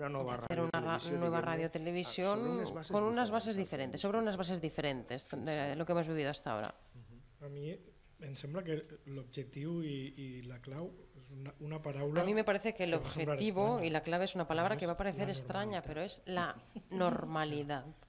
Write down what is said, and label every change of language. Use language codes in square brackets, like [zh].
[es] hacer una nueva radiotelevisión con unas bases diferentes, sobre unas bases diferentes de lo que hemos vivido hasta ahora. [ca] A mí me sembla que l'objectiu i la clau. Una paraula [es] a mí me parece que el objetivo y la clave es una palabra que va a parecer extraña, pero es la normalidad.